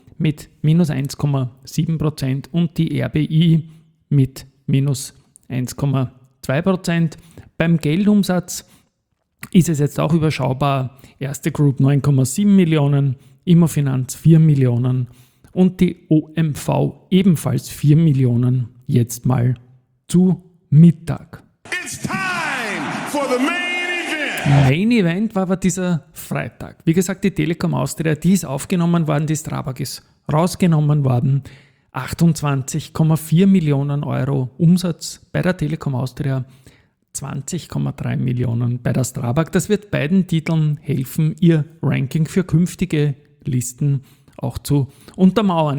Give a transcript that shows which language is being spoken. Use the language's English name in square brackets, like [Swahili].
[German] mit minus 1,7% und die RBI mit minus 1,2%. Beim Geldumsatz ist es jetzt auch überschaubar. Erste Group 9,7 Millionen, Immofinanz 4 Millionen und die OMV ebenfalls 4 Millionen. Jetzt mal zu Mittag. [English] It's time for the main event. [German] Main Event war aber dieser Freitag. Wie gesagt, die Telekom Austria, die ist aufgenommen worden, die Strabag ist rausgenommen worden, 28,4 Millionen Euro Umsatz bei der Telekom Austria, 20,3 Millionen bei der Strabag. Das wird beiden Titeln helfen, ihr Ranking für künftige Listen auch zu untermauern.